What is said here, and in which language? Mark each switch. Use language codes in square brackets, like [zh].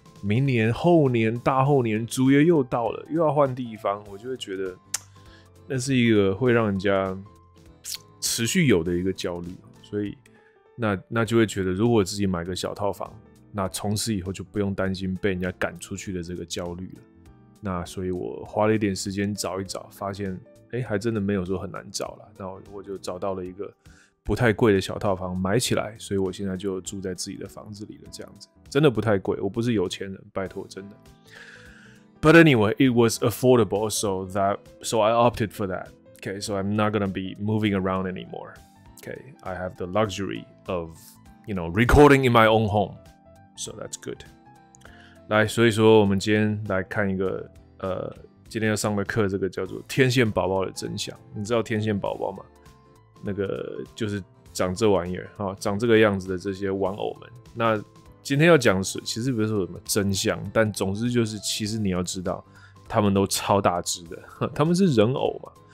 [zh] 明年、后年、大后年，租约又到了，又要换地方，我就会觉得那是一个会让人家持续有的一个焦虑，所以那就会觉得，如果自己买个小套房，那从此以后就不用担心被人家赶出去的这个焦虑了。那所以我花了一点时间找一找，发现还真的没有说很难找啦，那我就找到了一个不太贵的小套房买起来，所以我现在就住在自己的房子里了。这样子真的不太贵，我不是有钱人，拜托，真的。 [en] But anyway, it was affordable, so I opted for that. Okay, so I'm not gonna be moving around anymore. Okay, I have the luxury of, you know, recording in my own home, so that's good. [zh] 来，所以说我们今天来看一个今天要上的课，这个叫做天线宝宝的真相。你知道天线宝宝吗？那个就是长这玩意儿啊，长这个样子的这些玩偶们。那今天要讲的是，其实不是说什么真相，但总之就是，其实你要知道，他们都超大只的，他们是人偶嘛。